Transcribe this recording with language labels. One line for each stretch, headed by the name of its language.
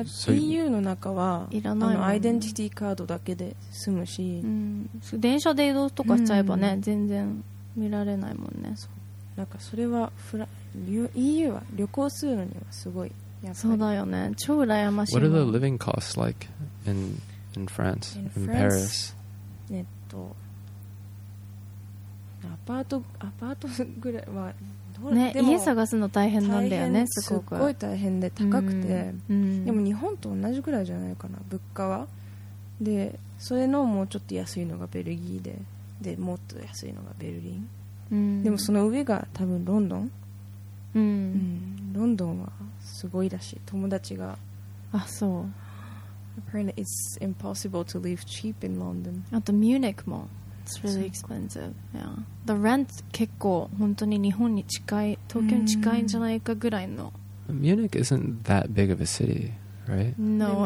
Japanese: EU の中はいらないもん、ね、アイデンティティカードだけで済むし、電車で移動とかしちゃえばね、全然見られないもんね。そう、なんかそれはEU は旅行するのにはすごい。そうだよね、超羨ましい。
English: What are the living costs like in France, in Paris?
Japanese: アパートぐらいはどれ、ね、でも家探すの大変なんだよね、すごく。すごい大変で高くて、でも日本と同じぐらいじゃないかな、物価は。で、それのもうちょっと安いのがベルギーで、でもっと安いのがベルリン。でもその上が多分ロンドン。ロンドンはすごいらしい、友達が。あ、そう。
English: Apparently it's impossible to live cheap in London.
Japanese: あとミュニックも
English: It's really expensive. Yeah. The rent
Japanese: 結構本当に日本に近い、東京に近いんじゃないかぐらいの。
English: ミュニック isn't that big of a city, right? No,